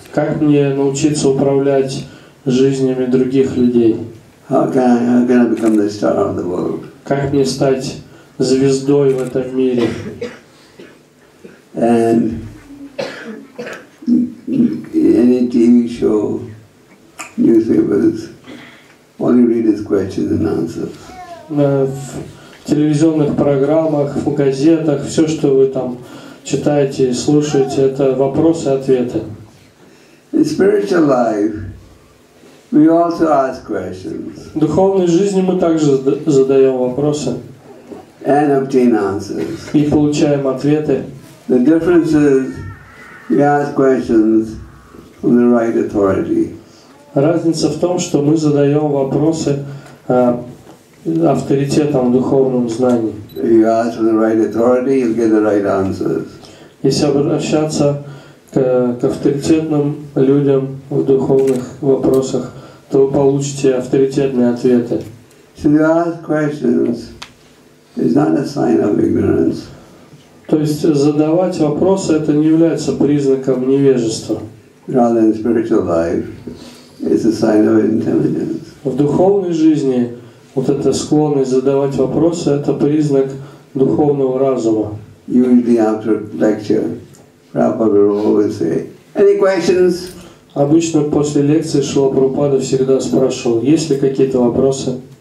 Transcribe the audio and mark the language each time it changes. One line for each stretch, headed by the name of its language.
Russian: Как мне научиться управлять жизнями других людей?
English: How can I become the star of the world?
Russian: Как мне стать звездой в этом мире?
English: And any TV show, newspapers, all you read is questions and answers.
Russian: В телевизионных программах, в газетах, все, что вы там читаете и слушаете, это вопросы и ответы.
English: In spiritual life, we also ask questions.
Russian: В духовной жизни мы также задаем вопросы.
English: And obtain answers.
Russian: И получаем ответы.
English: The difference is we ask questions from the right authority.
Russian: Разница в том, что мы задаем вопросы авторитетам в духовном знании.
English: If you ask from the right authority, you'll get the right answers.
Russian: Если обращаться к авторитетным людям в духовных вопросах, то вы получите авторитетные ответы.
English: So to ask questions is not a sign of ignorance.
Russian: То есть задавать вопросы это не является признаком невежества.
English: Rather in spiritual life, it's a sign of intelligence.
Russian: В духовной жизни вот эта склонность задавать вопросы это признак духовного разума.
English: Usually after lecture, Prabhupada will always say, "Any questions?"
Russian: Обычно после лекции Шрила Прабхупада всегда спрашивал, есть ли какие-то вопросы.